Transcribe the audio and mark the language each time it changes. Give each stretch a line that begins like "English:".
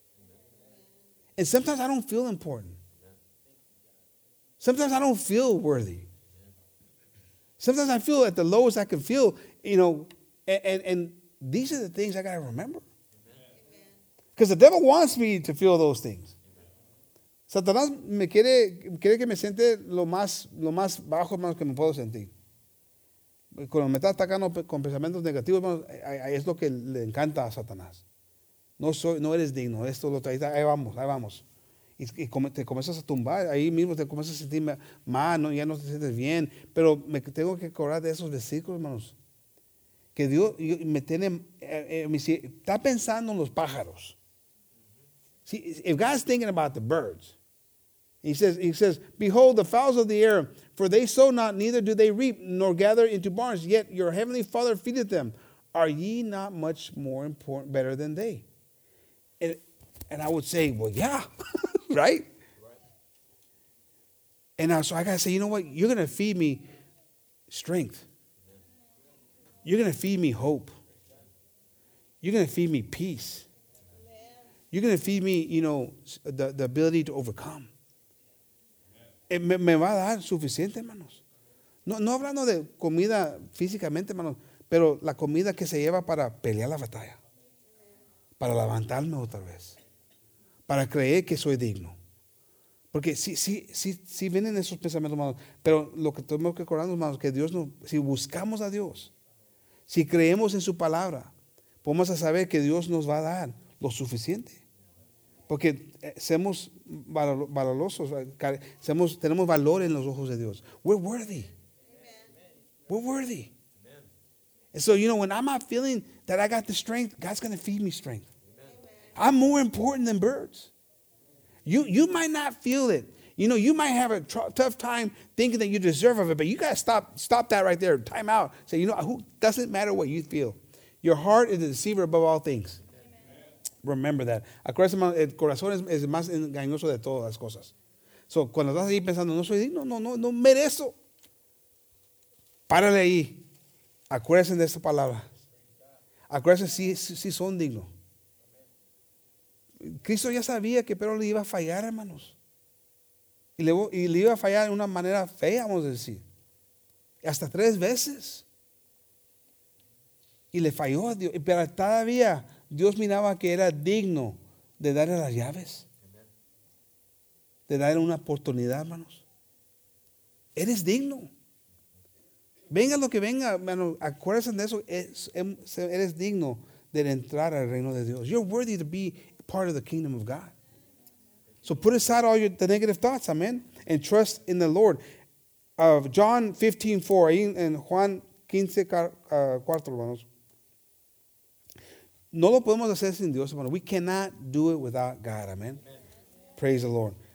English: Amen. And sometimes I don't feel important. Amen. Sometimes I don't feel worthy. Amen. Sometimes I feel at the lowest I can feel, you know, and these are the things I got to remember. Because the devil wants me to feel those things.
Spanish: Satanás me quiere que me siente lo más bajo, hermano, que me puedo sentir. Cuando me está atacando con pensamientos negativos, hermano, es lo que le encanta a Satanás. No eres digno, esto, lo traes, ahí vamos. Y te comienzas a tumbar, ahí mismo te comienzas a sentir mal, ¿no? Ya no te sientes bien. Pero me tengo que acordar de esos versículos, hermanos. Que Dios me tiene, está pensando en los pájaros.
English: See, if God's thinking about the birds, he says, behold, the fowls of the air, for they sow not, neither do they reap, nor gather into barns, yet your heavenly Father feedeth them. Are ye not much more important, better than they? And I would say, well, yeah, right? So I got to say, you know what? You're going to feed me strength. You're going to feed me hope. You're going to feed me peace. You're going to feed me, you know, the ability to overcome.
Spanish: Me va a dar suficiente, hermanos. No hablando de comida físicamente, hermanos, pero la comida que se lleva para pelear la batalla, para levantarme otra vez, para creer que soy digno. Porque sí vienen esos pensamientos, hermanos, pero lo que tenemos que acordarnos, hermanos, que Dios nos, si buscamos a Dios, si creemos en su palabra, vamos a saber que Dios nos va a dar lo suficiente. Porque somos valorosos, tenemos valor en los ojos de Dios.
English: We're worthy. Amen. We're worthy. Amen. And so, you know, when I'm not feeling that I got the strength, God's going to feed me strength. Amen. I'm more important than birds. You might not feel it. You know, you might have a tough time thinking that you deserve of it, but you got to stop that right there. Time out. Say, you know, who doesn't matter what you feel. Your heart is the deceiver above all things. Remember that.
Spanish: Acuérdense, hermano, el corazón es más engañoso de todas las cosas. So, cuando estás ahí pensando, no soy digno, no merezco. Párale ahí. Acuérdense de esta palabra. Acuérdense si son dignos. Cristo ya sabía que Pedro le iba a fallar, hermanos. Y le iba a fallar de una manera fea, vamos a decir. Hasta tres veces. Y le falló a Dios. Pero todavía Dios miraba que era digno de darle las llaves. Amen. De darle una oportunidad, hermanos. Eres digno. Venga lo que venga, hermano, acuérdense de eso. Eres digno de entrar al reino de Dios.
English: You're worthy to be part of the kingdom of God. So put aside all the negative thoughts, amen, and trust in the Lord. Of John 15:4 and Juan 15:4, hermanos.
Spanish: No lo podemos hacer sin Dios, hermano.
English: We cannot do it without God. Amen. Amen. Praise the Lord.